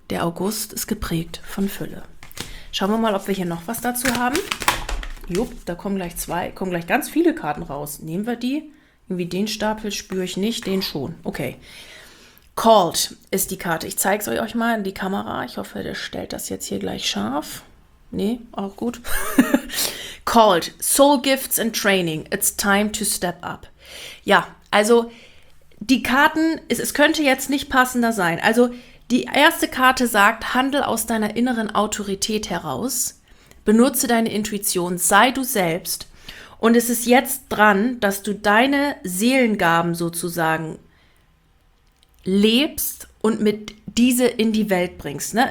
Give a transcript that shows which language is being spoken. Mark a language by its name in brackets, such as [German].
[German] Der August ist geprägt von Fülle. Schauen wir mal, ob wir hier noch was dazu haben. Jupp, da kommen gleich ganz viele Karten raus. Nehmen wir die? Irgendwie den Stapel spüre ich nicht, den schon. Okay. Called ist die Karte. Ich zeige es euch mal in die Kamera. Ich hoffe, der stellt das jetzt hier gleich scharf. Nee, auch gut. [English] Called, Soul Gifts and Training, it's time to step up. [German] Ja, also die Karten, es könnte jetzt nicht passender sein. Also die erste Karte sagt, handel aus deiner inneren Autorität heraus, benutze deine Intuition, sei du selbst und es ist jetzt dran, dass du deine Seelengaben sozusagen lebst und mit diese in die Welt bringst. Ne?